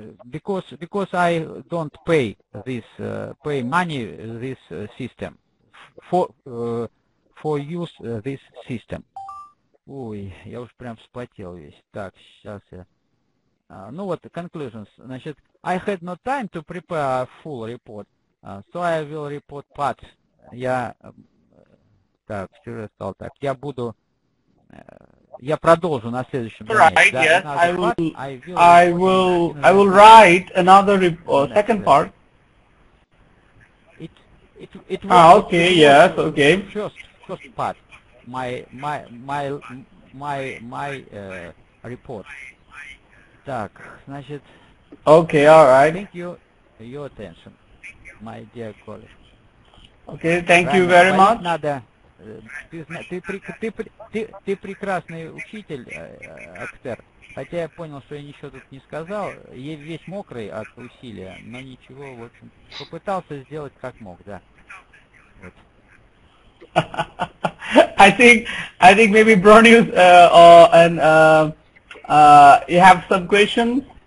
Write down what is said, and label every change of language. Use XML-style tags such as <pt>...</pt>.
<en>Because I don't pay this pay money this system for use this system.</en> <ru>Ой, я уж прям вспотел весь. Так, сейчас я. Ну вот</ru> <en>conclusions.</en> <ru>Значит,</ru> <en>I had no time to prepare a full report, so I will report part</en> <ru>я так, через стол, так, я буду, я продолжу на следующем занятии.</ru> <en>Right,</en> <ru>занятии.</ru> <en>Yes, I will write another second part. Okay. First part, my report.</en> <ru>Так, значит.</ru> <en>Okay, all right. Thank you for your attention, my dear colleague. Okay, thank you very much.</en> <ru>Надо. Ты прекрасный учитель, актер. Хотя я понял, что я ничего тут не сказал. Я весь мокрый от усилия, но ничего, в общем, попытался сделать как мог, да.</ru> <en>I think maybe Bronius you have some questions.</en>